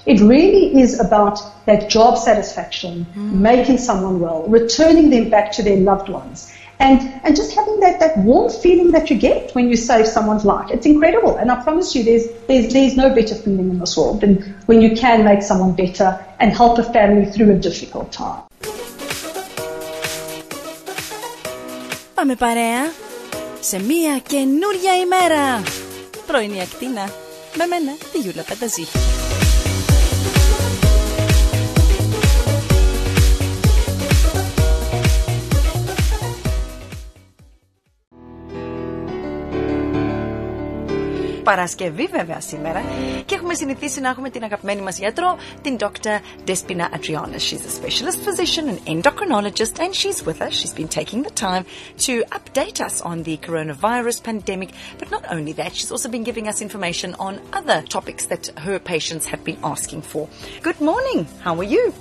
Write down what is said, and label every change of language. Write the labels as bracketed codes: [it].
[en] It really is about that job satisfaction, making someone well, returning them back to their loved ones, and just having that warm feeling that you get when you save someone's life. It's incredible. And I promise you, there's no better feeling in this world than when you can make someone better and help a family through a difficult time. [el] Πάμε παρέα σε μια καινούρια ημέρα. Πρωινή Ακτίνα με μένα, τη Γιούλα Πανταζή. Παρασκευή βέβαια σήμερα και έχουμε συνηθίσει να έχουμε την αγαπημένη μας γιατρό, την Dr. Despina Andreanis. [en] She's a specialist physician, an endocrinologist, and she's with us. She's been taking the time to update us on the coronavirus pandemic. But not only that, she's also been giving us information on other topics that her patients have been asking for. Good morning. How are you?